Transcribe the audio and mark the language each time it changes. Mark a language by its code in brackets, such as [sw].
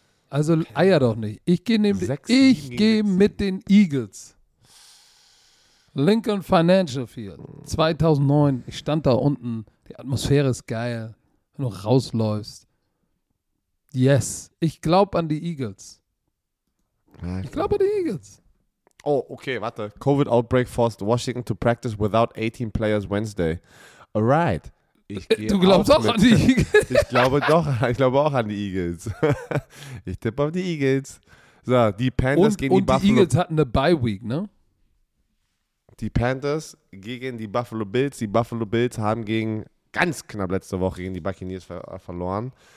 [de] Also eier doch nicht. Ich gehe mit den Eagles. Lincoln Financial Field, 2009, ich stand da unten, die Atmosphäre ist geil, wenn du rausläufst. Yes, ich glaube an die Eagles. Ich glaube an die Eagles. Oh, okay, warte. [en] Covid Outbreak forced Washington to practice without 18 players Wednesday. Alright. [de] Du glaubst auch an die Eagles? Ich glaube auch an die Eagles. Ich tippe auf die Eagles. So, die Panthers und, gegen die Buffalo. Und die Eagles hatten eine Bye-Week, ne? Die Panthers gegen die Buffalo Bills. Die Buffalo Bills haben gegen ganz knapp letzte Woche gegen die Buccaneers verloren.